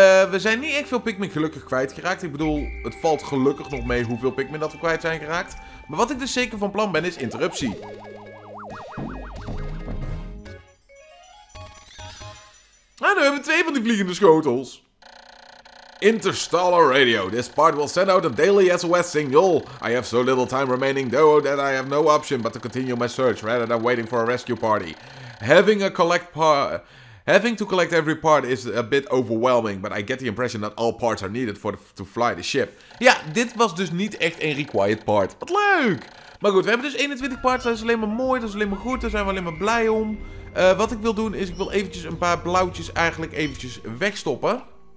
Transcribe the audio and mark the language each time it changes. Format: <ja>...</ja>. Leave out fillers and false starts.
<nl>We zijn niet echt veel Pikmin gelukkig kwijtgeraakt. Ik bedoel, het valt gelukkig nog mee hoeveel Pikmin dat we kwijt zijn geraakt. Maar wat ik dus zeker van plan ben, is interruptie. Ah, nu hebben we twee van die vliegende schotels.</nl> <en>Interstellar Radio, this part will send out a daily SOS signal. I have so little time remaining though that I have no option but to continue my search rather than waiting for a rescue party. Having to collect every part is a bit overwhelming, but I get the impression that all parts are needed to fly the ship.</en> <nl>Ja, dit was dus niet echt een required part. Wat leuk! Maar goed, we hebben dus 21 parts, dat is alleen maar mooi, dat is alleen maar goed, daar zijn we alleen maar blij om. Wat ik wil doen is, ik wil eventjes een paar blauwtjes eigenlijk eventjes wegstoppen.</nl>